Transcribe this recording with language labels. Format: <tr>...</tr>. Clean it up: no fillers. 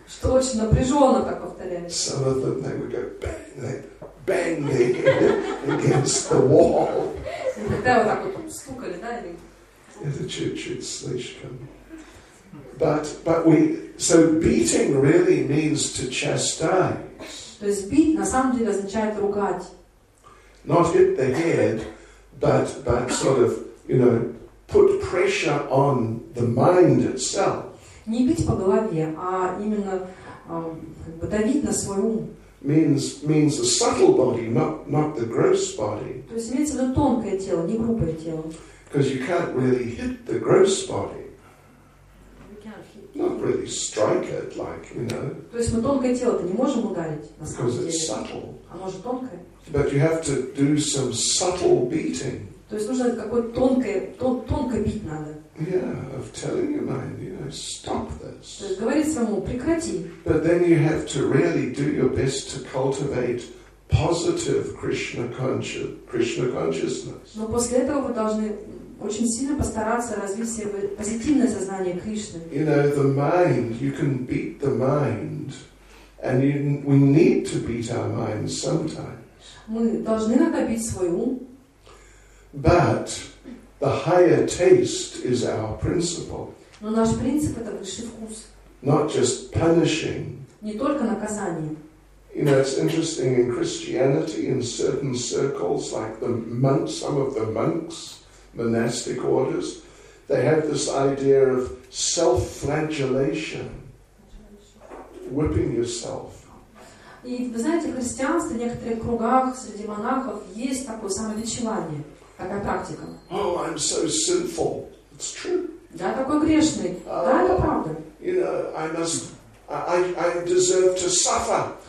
<ru>Что очень напряженно так повторяется.</ru> <en>Some of them they would go bang, they bang against the wall.</en> <ru>Иногда вот так вот стукали, да, или? Это чуть-чуть слишком.</ru> <en>But we so beating really means to chastise.</en> <ru>То есть бить на самом деле означает ругать.</ru> <en>Not hit the head, but sort of, you know, put pressure on the mind itself.</en> <ru>Не бить по голове, а именно как бы давить на свой ум.</ru> <en>Means the subtle body, not the gross body.</en> <ru>То есть имеется в виду тонкое тело, не грубое тело.</ru> <en>Because you can't really hit the gross body. We can't hit. Not really strike it, like, you know.</en> <ru>То есть мы тонкое тело-то не можем ударить, на самом деле.</ru> <en>Because it's subtle.</en> <ru>Оно же тонкое.</ru> <en>But you have to do some subtle beating.</en> <ru>То есть нужно какое-то тонкое, тонко бить надо.</ru> <en>Yeah, of telling your mind, you know, stop this.</en> <ru>То есть говорить самому, прекрати.</ru> <en>But then you have to really do your best to cultivate positive Krishna consciousness.</en> <ru>Но после этого вы должны очень сильно постараться развить себе позитивное сознание Кришны.</ru> <en>You know, the mind, you can beat the mind, and we need to beat our minds sometimes.</en> <ru>Мы должны иногда бить свой ум.</ru> <en>But the higher taste is our principle.</en> <ru>Но наш принцип это высший вкус.</ru> <en>Not just punishing.</en> <ru>Не только наказание.</ru> <en>You know, it's interesting in Christianity, in certain circles, like the monks, some of the monks, monastic orders, they have this idea of self-flagellation, whipping yourself.</en> <ru>И вы знаете, в христианстве, в некоторых кругах, среди монахов, есть такое самобичевание, такая практика.</ru> <en>Oh, I'm so sinful. It's true.</en> <ru>Я такой грешный. Да, это правда.</ru> <en>You know, I deserve to suffer.</en>